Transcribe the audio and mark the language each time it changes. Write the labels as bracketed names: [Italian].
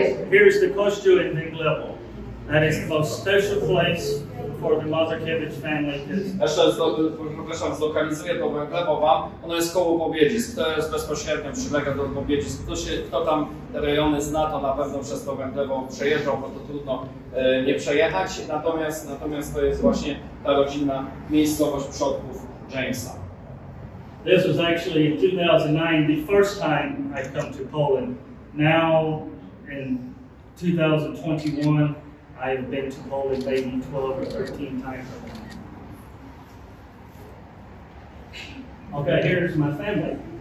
[English] Here is the kościół in Węglewo. That is the most special place for the mother cabbage family. [Polish] Jeszcze przepraszam, zlokalizuję to Węglewo wam. Ono jest koło Bobiedzisk. To jest bezpośrednio przylega do Bobiedzisk. Kto tam te rejony zna, to na pewno przez to Węglewo przejeżdżał, bo to trudno nie przejechać. Natomiast to jest właśnie ta rodzinna miejscowość przodków Jamesa. [English] This was actually in 2009, the first time I come to Poland. Now, in 2021, I've been to Poland maybe 12 or 13 times. Okay, here's my family.